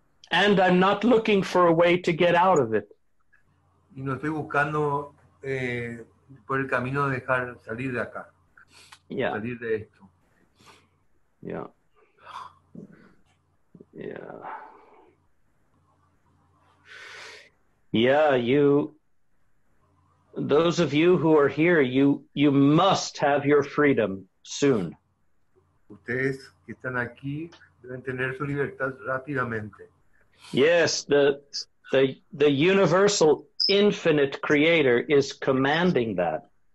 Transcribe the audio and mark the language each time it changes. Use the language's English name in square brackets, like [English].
[English] And I'm not looking for a way to get out of it. [Spanish] Y no estoy buscando por el camino de dejar salir de acá. [English] Yeah. [Spanish] Salir de esto. [English] Yeah. Yeah. Yeah, you, those of you who are here, you must have your freedom soon. [Spanish] Ustedes que están aquí deben tener su libertad rápidamente. [English] Yes, the universal infinite creator is commanding that.